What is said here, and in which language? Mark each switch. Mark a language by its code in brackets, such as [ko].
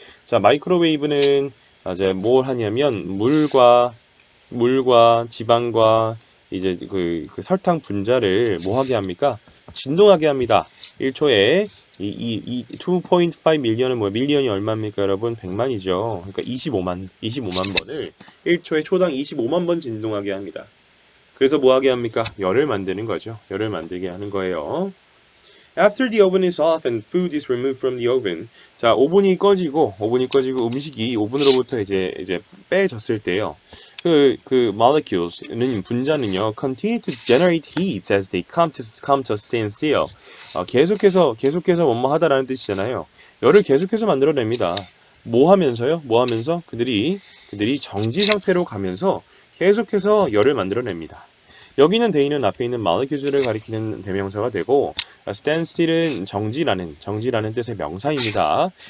[ko] 자, 마이크로웨이브는 이제 뭘 하냐면 물과 지방과 이제 그 설탕 분자를 뭐 하게 합니까? 진동하게 합니다. 1초에 2.5 million은 뭐 밀리언이 얼마입니까, 여러분? 100만이죠. 그러니까 25만 번을 1초에 초당 25만 번 진동하게 합니다. 그래서 뭐 하게 합니까? 열을 만드는 거죠. 열을 만들게 하는 거예요. [en] After the oven is off and food is removed from the oven. [ko] 자, 오븐이 꺼지고 음식이 오븐으로부터 이제 빼졌을 때요. 그 molecules 는 분자는요. [en] continue to generate heat as they come to stand still. [ko] 계속해서 뭐뭐 하다라는 뜻이잖아요. 열을 계속해서 만들어 냅니다. 뭐 하면서요? 뭐 하면서 그들이 정지 상태로 가면서 계속해서 열을 만들어 냅니다. 여기는 데이는 앞에 있는 molecules를 가리키는 대명사가 되고, standstill은 정지라는 뜻의 명사입니다.